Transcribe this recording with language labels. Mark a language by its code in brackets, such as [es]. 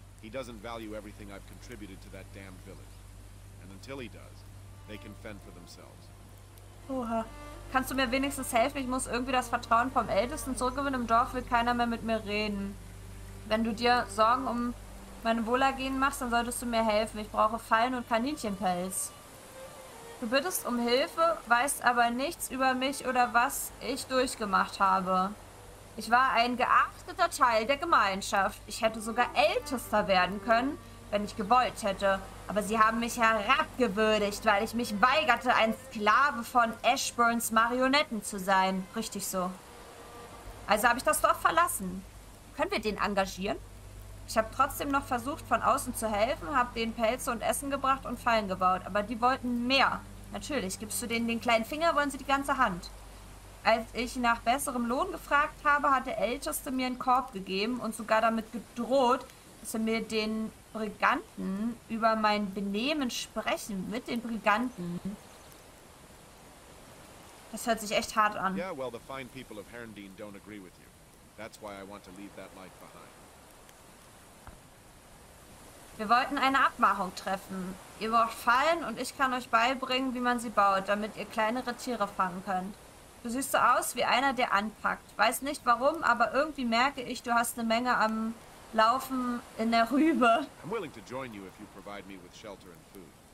[en] He doesn't value everything I've contributed to that damned village. And until he does, they can fend for themselves. [de] Oha. Kannst du mir wenigstens helfen? Ich muss irgendwie das Vertrauen vom Ältesten zurückgewinnen. Im Dorf will keiner mehr mit mir reden. Wenn du dir Sorgen um mein Wohlergehen machst, dann solltest du mir helfen. Ich brauche Fallen und Kaninchenpelz. Du bittest um Hilfe, weißt aber nichts über mich oder was ich durchgemacht habe. Ich war ein geachteter Teil der Gemeinschaft. Ich hätte sogar Ältester werden können, wenn ich gewollt hätte. Aber sie haben mich herabgewürdigt, weil ich mich weigerte, ein Sklave von Ashburns Marionetten zu sein. Richtig so. Also habe ich das Dorf verlassen. Können wir den engagieren? Ich habe trotzdem noch versucht, von außen zu helfen, habe denen Pelze und Essen gebracht und Fallen gebaut. Aber die wollten mehr. Natürlich, gibst du denen den kleinen Finger, wollen sie die ganze Hand. Als ich nach besserem Lohn gefragt habe, hat der Älteste mir einen Korb gegeben und sogar damit gedroht, dass er mir den Briganten über mein Benehmen sprechen mit den Briganten. Das hört sich echt hart an. [en] Yeah, well, the fine people of Herndeen don't agree with you. That's why I want to leave that life behind. [de] Wir wollten eine Abmachung treffen. Ihr braucht Fallen und ich kann euch beibringen, wie man sie baut, damit ihr kleinere Tiere fangen könnt. Du siehst so aus wie einer, der anpackt. Weiß nicht warum, aber irgendwie merke ich, du hast eine Menge am Laufen in der Rübe. [en] I'm willing to join you if you provide me with shelter and food.